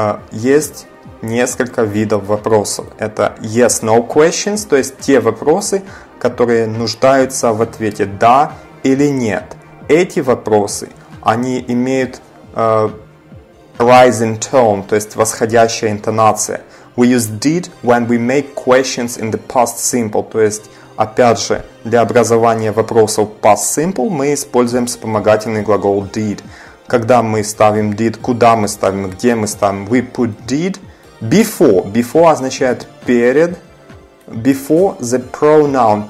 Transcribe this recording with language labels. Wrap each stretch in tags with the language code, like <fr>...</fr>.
<ru>Есть несколько видов вопросов. Это</ru> <en>yes, no questions,</en> <ru>то есть те вопросы, которые нуждаются в ответе да или нет. Эти вопросы, они имеют</ru> <en>rising tone,</en> <ru>то есть восходящая интонация.</ru> <en>We use did when we make questions in the past simple.</en> <ru>То есть, опять же, для образования вопросов past simple мы используем вспомогательный глагол did. Когда мы ставим did, куда мы ставим, где мы ставим,</ru> <en>we put did before. Before</en> <ru>означает перед.</ru> <en>Before the pronoun.</en>